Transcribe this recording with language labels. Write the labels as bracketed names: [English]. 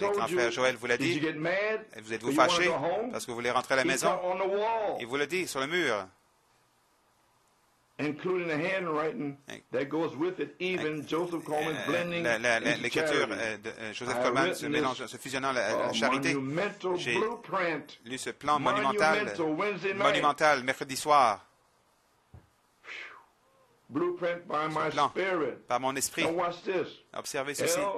[French] Et quand Frère Joël vous l'a dit, vous êtes-vous fâché parce que vous voulez rentrer à la maison? Il vous l'a dit sur le mur. [English] Including the handwriting that goes with it, even Joseph Coleman blending [French] l'écriture de Joseph Coleman se mélange, se fusionnant la charité. J'ai lu ce plan monumental mercredi soir. [English] Blueprint by my spirit. [French] Par mon esprit. [English] Now watch this. [French] Observez ceci.